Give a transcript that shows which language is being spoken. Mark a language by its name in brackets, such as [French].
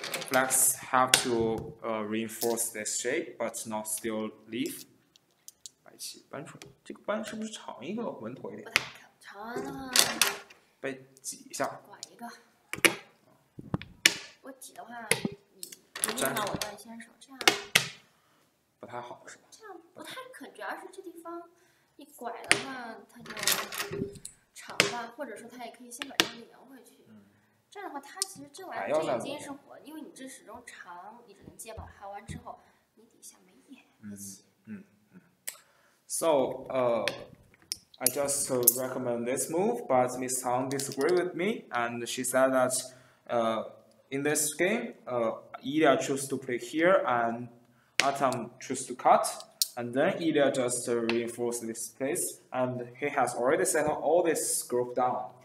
[English] Blacks have to reinforce this shape, but not still leave. [Chinese] 白棋搬出来，这个搬是不是长一个，稳妥一点？长了。被挤一下。拐一个。我挤的话，你影响我断先手，这样不太好，是吧？这样不太可，主要是这地方一拐的话，它就长吧，或者说它也可以先把这个连回去。这样的话，它其实这玩意儿这已经是活，因为你这始终长，你只能接把开完之后，你底下没眼。 [English] So, I just recommend this move, but Miss Tang disagree with me, and she said that, in this game, Ilya choose to play here, and Atom choose to cut, and then Ilya just reinforce this place, and he has already settled all this group down.